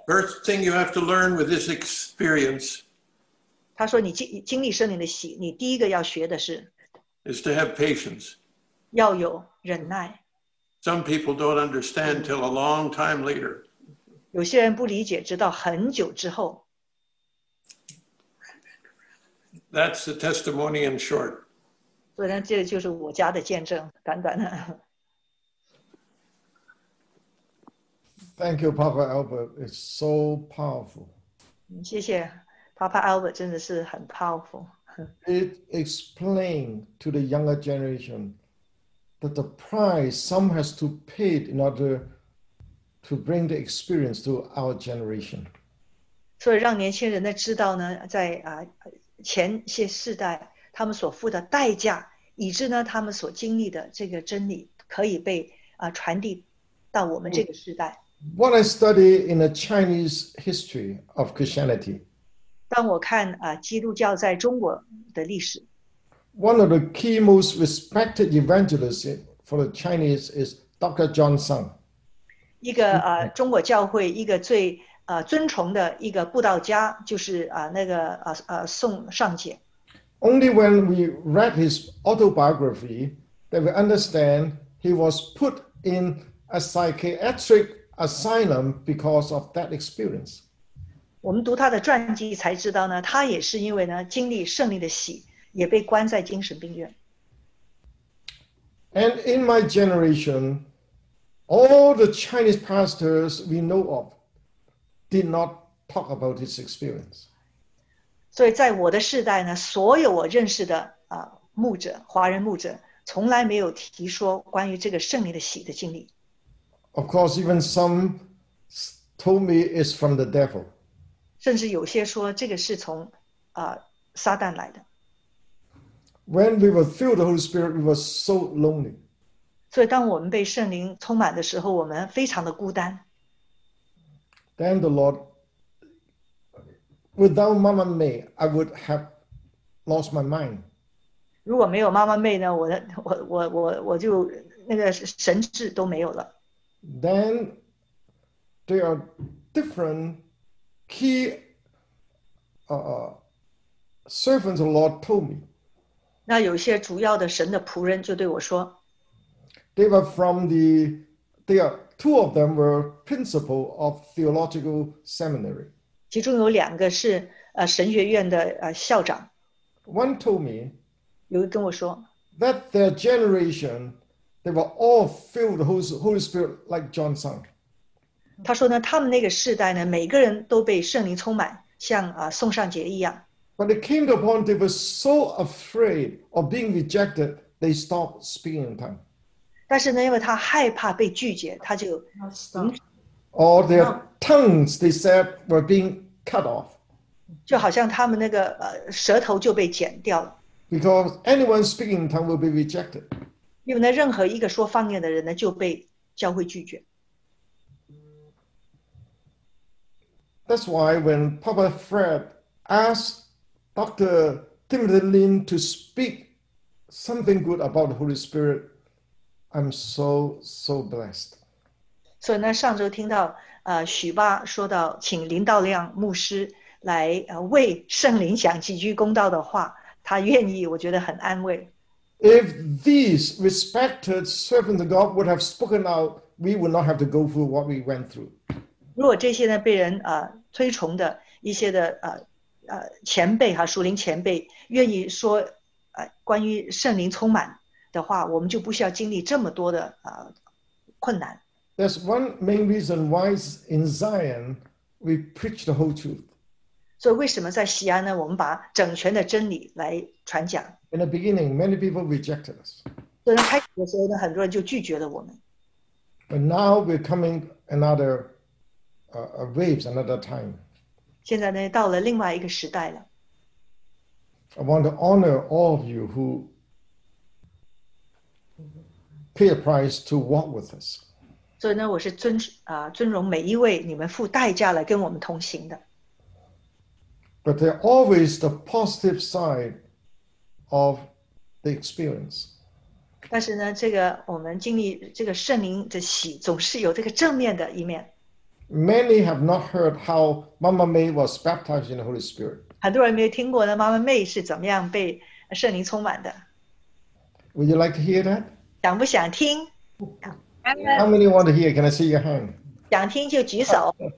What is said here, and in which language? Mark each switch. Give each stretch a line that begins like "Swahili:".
English: First thing you have to learn with this experience.
Chinese: 他说，你经历圣灵的洗，你第一个要学的是。
English: Is to have patience.
Chinese: 要有忍耐。
English: Some people don't understand till a long time later.
Chinese: 有些人不理解，直到很久之后。
English: That's the testimony in short.
Chinese: 所以呢，这就是我家的见证，短短的。
English: Thank you, Papa Albert. It's so powerful.
Chinese: 谢谢, Papa Albert 真的是很 powerful.
English: It explained to the younger generation that the price some has to pay in order to bring the experience to our generation.
Chinese: 所以让年轻人知道呢, 在, 前些世代, 他们所付的代价, 以致呢, 他们所经历的这个真理, 可以被, 传递到我们这个世代。
English: What I study in the Chinese history of Christianity.
Chinese: 当我看, 基督教在中国的历史,
English: one of the key most respected evangelists for the Chinese is Dr. John Sung.
Chinese: 一个, 中国教会, 一个最, 尊崇的一个布道家就是, 那个, 宋上姐。
English: Only when we read his autobiography that we understand he was put in a psychiatric asylum because of that experience.
Chinese: 我们读他的传记才知道呢, 他也是因为呢, 经历圣灵的洗, 也被关在精神病院。
English: And in my generation, all the Chinese pastors we know of did not talk about his experience.
Chinese: 所以在我的世代呢, 所有我认识的, 牧者, 华人牧者, 从来没有提说关于这个圣灵的洗的经历。
English: Of course, even some told me it's from the devil.
Chinese: 甚至有些说这个是从, 撒旦来的。
English: When we were filled with the Holy Spirit, we were so lonely.
Chinese: 所以当我们被圣灵充满的时候, 我们非常的孤单。
English: Then the Lord, without Mama May, I would have lost my mind.
Chinese: 如果没有妈妈妹呢, 我就那个神智都没有了。
English: Then there are different key servants of the Lord told me.
Chinese: 那有些主要的神的仆人就对我说,
English: they were from the, they are, two of them were principal of theological seminary.
Chinese: 其中有两个是, 神学院的, 校长。
English: One told me,
Chinese: 有跟我说,
English: that their generation, they were all filled with the Holy Spirit like John Sung.
Chinese: 他说呢, 他们那个世代呢, 每个人都被圣灵充满, 像, 宋尚杰一样。
English: But it came to a point they were so afraid of being rejected, they stopped speaking in tongues.
Chinese: 但是呢, 因为他害怕被拒绝, 他就,
English: or their tongues, they said, were being cut off.
Chinese: 就好像他们那个, 舌头就被剪掉了。
English: Because anyone speaking in tongues will be rejected.
Chinese: 因为呢,任何一个说方言的人呢, 就被教会拒绝。
English: That's why when Papa Fred asked Dr. Timothy Lin to speak something good about the Holy Spirit, I'm so, so blessed.
Chinese: 所以呢, 上周听到, 许巴说到请林道亮牧师来, 为圣灵讲几句公道的话, 他愿意, 我觉得很安慰。
English: If these respected servants of God would have spoken out, we would not have to go through what we went through.
Chinese: 如果这些呢, 被人, 推崇的一些的, 前辈啊, 属灵前辈, 愿意说, 关于圣灵充满的话, 我们就不需要经历这么多的, 困难。
English: There's one main reason why in Zion we preach the whole truth.
Chinese: 所以为什么在西安呢, 我们把整全的真理来传讲。
English: In the beginning, many people rejected us.
Chinese: 所以开始的时候呢, 很多人就拒绝了我们。
English: But now we're coming another waves, another time.
Chinese: 现在呢, 到了另外一个时代了。
English: I want to honor all of you who pay a price to walk with us.
Chinese: 所以呢, 我是尊, 尊荣每一位你们付代价来跟我们同行的。
English: But there are always the positive side of the experience.
Chinese: 但是呢, 这个, 我们经历这个圣灵的喜, 总是有这个正面的一面。
English: Many have not heard how Mama May was baptized in the Holy Spirit.
Chinese: 很多人没有听过呢, Mama May是怎么样被圣灵充满的。
English: Would you like to hear that?
Chinese: 想不想听?
English: How many want to hear? Can I see your hand?
Chinese: 想听就举手。